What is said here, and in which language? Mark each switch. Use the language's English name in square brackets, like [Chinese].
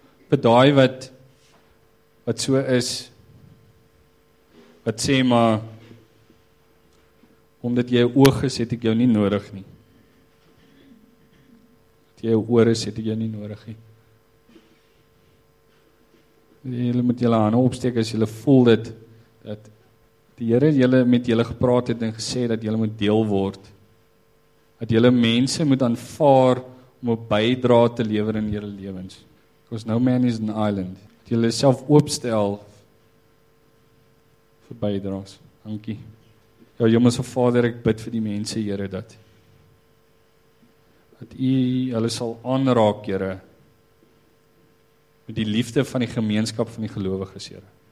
[Afrikaans] Vir daai wat so is, wat sê maar, omdat jy oog is, het ek jou nie nodig nie. Omdat jy oor is, het ek jou nie nodig nie. Julle moet julle hande opsteek as julle voel dat die Here julle met julle gepraat het en gesê dat julle moet deel word. Dat julle mense moet aanvaar om 'n bydrae te lewer in julle lewens. [English] Because no man is an island. [Afrikaans] Dat julle self oopstel vir bydraes. Dankie. Ja, Hemelse Vader, ek bid vir die mense, Here, dat U hulle sal aanraak, Here, met die liefde van die gemeenskap van die gelowiges, Here.